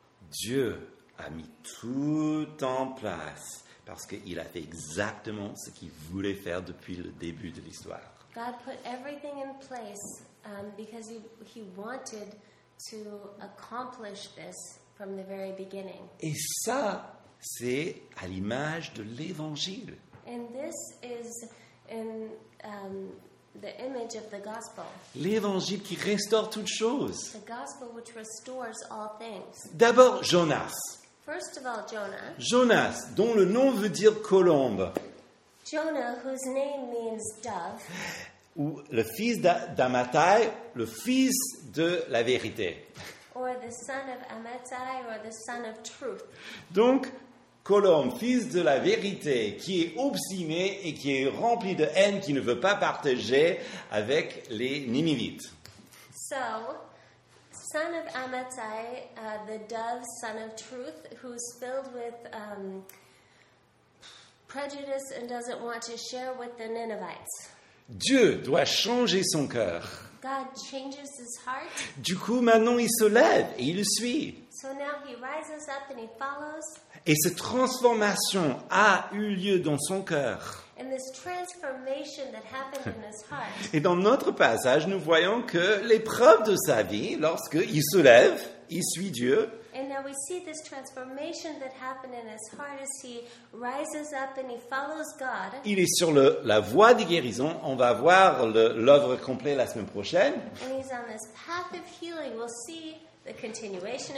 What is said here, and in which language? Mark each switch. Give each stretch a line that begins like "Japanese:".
French: Dieu a mis tout en place parce qu'il a fait exactement ce qu'il voulait faire depuis le début de l'histoire.
English: God put everything in place because he wanted to accomplish this from the very beginning.
French: Et ça, c'est à l'image de l'Évangile.
English: And this is in the image of the gospel.
French: L'Évangile qui restaure toutes choses.
English: The gospel which restores all things.
French: D'abord Jonas.
English: First of all, Jonah.
French: Jonas, dont le nom veut dire colombe.
English: Jonah, whose name means dove.
French: Ou le fils d'Amattai, le fils de la vérité.
English: Or the son of Amattai, or the son of truth.
French: Donc, colombe, fils de la vérité, qui est obstiné et qui est rempli de haine, qui ne veut pas partager avec les Ninivites.
English: So, son of Amattai, the dove, son of truth, who's filled with prejudice and doesn't want to share with the Ninevites.
French: Dieu doit changer son cœur.
English: God changes his heart.
French: Du coup, maintenant, il se lève et il le suit.
English: So now he rises up and he follows.
French: Et cette transformation a eu lieu dans son cœur.
English: And this transformation that happened in his heart.
French: Et dans notre passage, nous voyons que l'épreuve de sa vie, lorsqu'il se lève, il suit Dieu.
English: And now we see this transformation that happened in his heart as he rises up and he follows God.
French: Il est sur la voie de guérison. On va voir l'œuvre complète la semaine prochaine.
English: And he's on this path of healing. We'll see the continuation of